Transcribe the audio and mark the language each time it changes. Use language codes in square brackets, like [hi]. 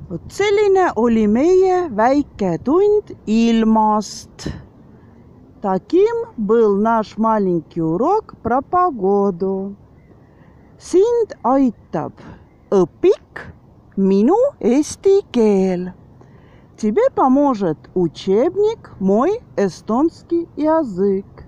[et] Selline oli meie väike tund ilmast. [ru] Таким был наш маленький урок про погоду. [et] Sind aitab õpik, minu eesti keel. [ru] Тебе поможет учебник мой эстонский язык.